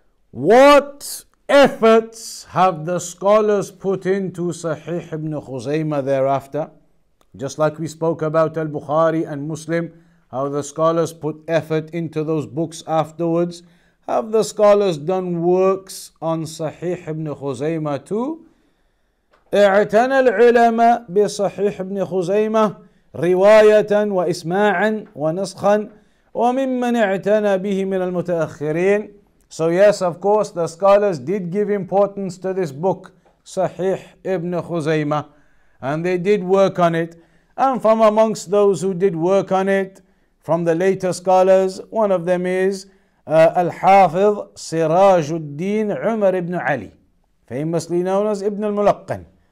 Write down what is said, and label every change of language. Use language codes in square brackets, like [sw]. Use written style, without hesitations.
[en] What efforts have the scholars put into Sahih Ibn Khuzayma thereafter? Just like we spoke about Al-Bukhari and Muslim, how the scholars put effort into those books afterwards. Have the scholars done works on Sahih Ibn Khuzayma too? [ar] اعتنى العلماء بصحيح ابن خزيمة رواية وإسماعا ونسخا وممن اعتنى به من المتأخرين. [en] So yes, of course, the scholars did give importance to this book, صحيح ابن خزيمة, and they did work on it. And from amongst those who did work on it, from the later scholars, one of them is الحافظ سراج الدين عمر بن علي, famously known as ابن الملقن.